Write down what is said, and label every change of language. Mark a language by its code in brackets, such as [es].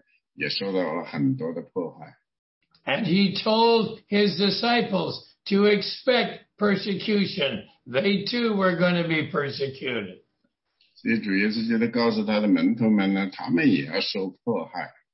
[zh] 所以当主耶稣基督自己在他服事的时候呢,也受到了很多的迫害。 [en] And he told his disciples to expect persecution. They too were going to be persecuted. [zh] 所以主耶稣基督告诉他的门徒们呢,他们也要受迫害。